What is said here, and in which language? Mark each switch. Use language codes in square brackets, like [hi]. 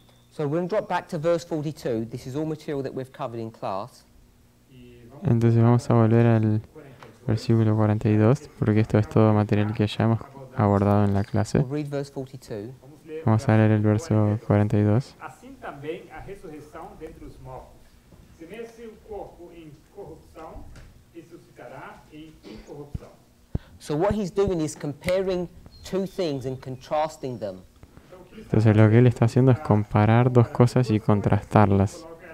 [en] So we're going to drop back to verse 42. This is all material that we've covered in class. [es] Entonces vamos a volver al versículo 42, porque esto es todo material que ya hemos abordado en la clase. [en] We'll read verse 42. [es] Vamos a leer el verso 42. [pt] Assim também a ressurreição dentre os mortos. Semeia-se o corpo em corrupção, ressuscitará em incorrupção. [en] So what he's doing is comparing two things and contrasting them. [es] Entonces lo que él está haciendo es comparar dos cosas y contrastarlas.